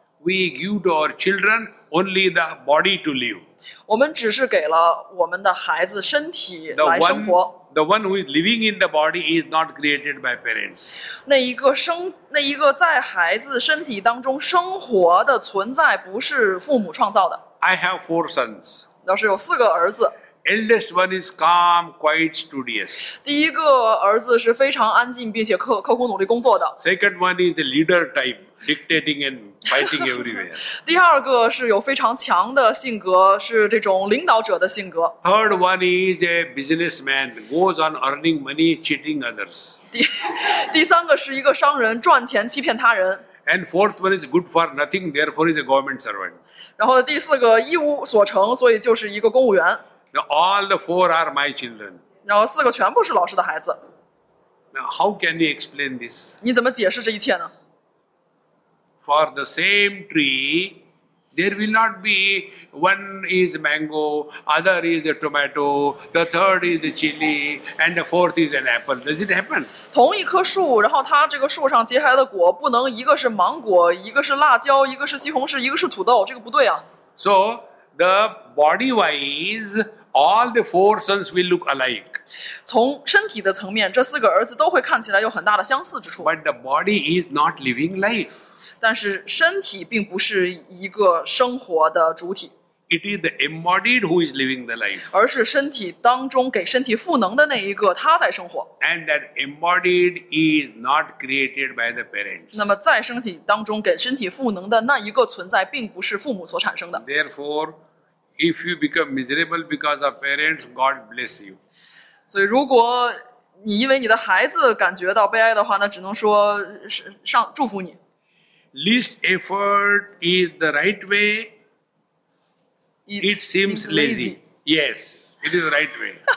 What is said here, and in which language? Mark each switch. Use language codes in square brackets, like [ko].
[en] We give to our children only the body to live. [zh] 我们只是给了我们的孩子身体来生活。 [en] The one who is living in the body is not created by parents. [zh] 那一个在孩子身体当中生活的存在不是父母创造的。 [en] I have four sons. [zh] 要是有四个儿子。 [en] Eldest one is calm, quiet, studious. [zh] 第一个儿子是非常安静并且刻苦努力工作的。 [en] Second one is the leader type, dictating and fighting everywhere. [zh] 第二个是有非常强的性格，是这种领导者的性格。 [en] Third one is a businessman, goes on earning money, cheating others. [zh] 第三个是一个商人，赚钱欺骗他人。 [en] And fourth one is good for nothing, therefore is a government servant. [zh] 然后第四个一无所成，所以就是一个公务员。 [en] Now all the four are my children. [zh] 然后四个全部是老师的孩子。 [en] Now how can you explain this? [zh] 你怎么解释这一切呢？ [en] For the same tree, there will not be one is mango, other is a tomato, the third is a chili, and the fourth is an apple. Does it happen? [zh] 同一棵树，然后它这个树上结下来的果不能一个是芒果，一个是辣椒，一个是西红柿，一个是土豆，这个不对啊。 [en] So the body wise. All the four sons will look alike. [zh] 从身体的层面，这四个儿子都会看起来有很大的相似之处。 [en] But the body is not living life. [zh] 但是身体并不是一个生活的主体。 [en] It is the embodied who is living the life. [zh] 而是身体当中给身体赋能的那一个，他在生活。 [en] And that embodied is not created by the parents. [zh] 那么在身体当中给身体赋能的那一个存在，并不是父母所产生的。 [en] Therefore. If you become miserable because of parents, God bless you. [zh] 所以如果你因为你的孩子感觉到悲哀的话，那只能说上祝福你。 [en] Least effort is the right way. It seems lazy. Yes, it is the right way.